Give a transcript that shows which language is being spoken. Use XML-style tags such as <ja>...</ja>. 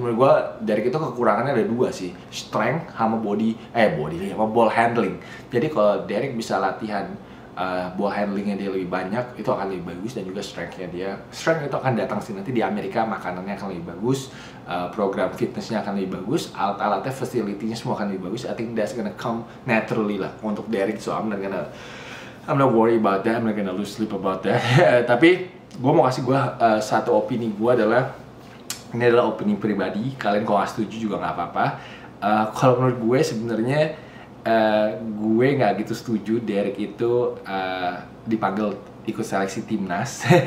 <id>Menurut gue dari itu kekurangannya ada 2 sih, strength sama ball handling. Jadi kalau Derek bisa latihan ball handlingnya dia lebih banyak, itu akan lebih bagus, dan juga strength itu akan datang sih nanti di Amerika. Makanannya akan lebih bagus, program fitnessnya akan lebih bagus, alat-alatnya, facility-nya semua akan lebih bagus.</id> <en>I think that's gonna come naturally</en> <id>lah untuk</id> <en>Derek, so I'm not worried about that, I'm not gonna lose sleep about that.</en> <id>Tapi gue mau kasih satu opini gue adalah, ini adalah opini pribadi, kalian kalau gak setuju juga gak apa-apa. Kalau menurut gue sebenarnya gue gak gitu setuju Derek itu dipanggil ikut seleksi timnas.</id>